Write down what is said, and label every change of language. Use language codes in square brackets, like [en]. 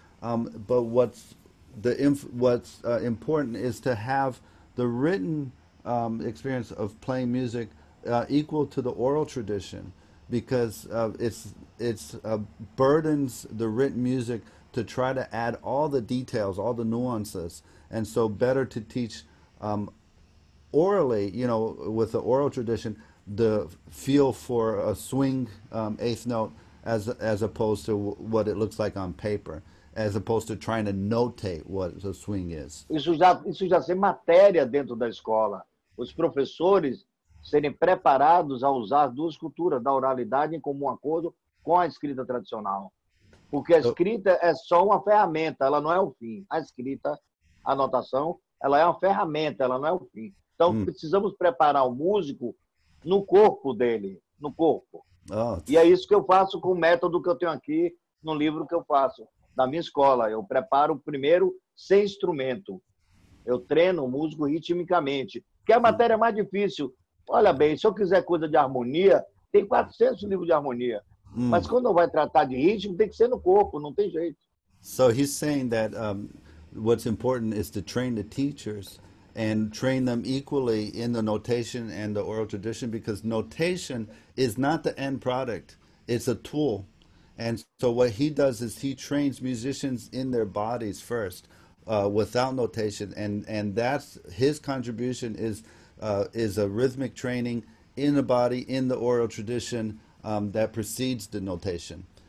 [en] But what's important is to have the written experience of playing music equal to the oral tradition, because it's burdens the written music to try to add all the details, all the nuances, and so better to teach orally, with the oral tradition, the feel for a swing eighth note as opposed to what it looks like on paper, as opposed to trying to notate what the swing is. [pt] Isso já ser matéria dentro da escola. Os professores serem preparados a usar as duas culturas da oralidade em comum acordo com a escrita tradicional. Porque a escrita é só uma ferramenta, ela não é o fim. A escrita, a notação, ela é uma ferramenta, ela não é o fim. Então, precisamos preparar o músico no corpo dele, no corpo. E é isso que eu faço com o método que eu tenho aqui no livro que eu faço, na minha escola. Eu preparo primeiro sem instrumento. Eu treino o músico ritmicamente, que é a matéria mais difícil. Olha bem, se eu quiser coisa de harmonia, tem 400 livros de harmonia. Mas quando vai tratar de ritmo, tem que ser no corpo, não tem jeito. [en] So he's saying that what's important is to train the teachers and train them equally in the notation and the oral tradition, because notation is not the end product, it's a tool. And so what he does is he trains musicians in their bodies first, without notation, and that's his contribution, is a rhythmic training in the body, in the oral tradition, that precedes the notation.